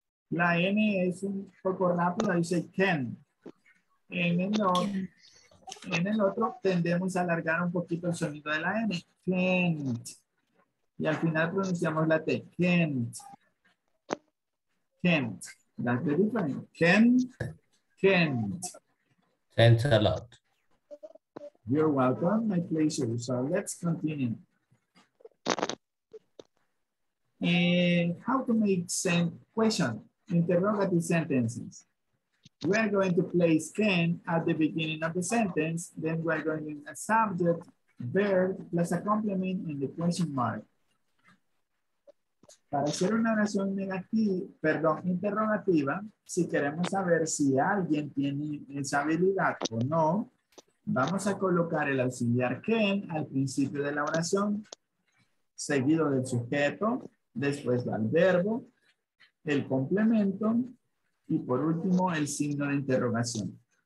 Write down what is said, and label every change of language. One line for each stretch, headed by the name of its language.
Spanish: La N es un poco rápido, ahí dice can. En el otro tendemos a alargar un poquito el sonido de la N.
English: Can't.
Spanish: Y al final pronunciamos la T,
English: can't, can't, that's the difference, can, can't. Thanks a lot. You're welcome, my pleasure. So let's continue. And how to make question, interrogative sentences. We're going to place can at the beginning of the sentence, then we're going to a subject, verb, plus a complement and the question mark.
Spanish: Para hacer una oración negativa, perdón, interrogativa, si queremos saber si alguien tiene esa habilidad o no, vamos a colocar el auxiliar can al principio de la oración, seguido del sujeto, después del verbo, el complemento y por último el signo de interrogación.